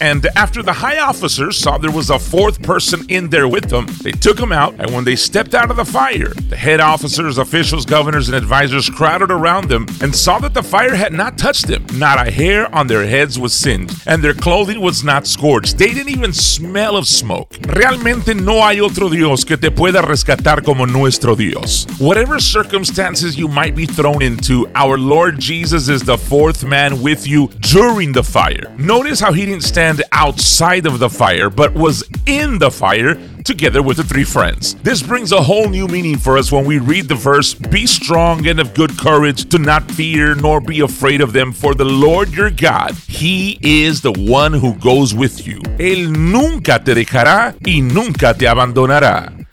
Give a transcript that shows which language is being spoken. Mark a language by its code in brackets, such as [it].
[en] And after the high officers saw there was a fourth person in there with them, they took them out. And when they stepped out of the fire, the head officers, officials, governors, and advisors crowded around them and saw that the fire had not touched them. Not a hair on their heads was singed, and their clothing was not scorched. They didn't even smell of smoke. [es] Realmente no hay otro Dios que te pueda rescatar como nuestro Dios. [en] Whatever circumstances you might be thrown into, our Lord Jesus is the fourth man with you during the fire. Notice how he didn't stand outside of the fire, but was in the fire together with the three friends. This brings a whole new meaning for us when we read the verse, "Be strong and of good courage, do not fear nor be afraid of them, for the Lord your God, he is the one who goes with you. [es] Él nunca te dejará y nunca te abandonará."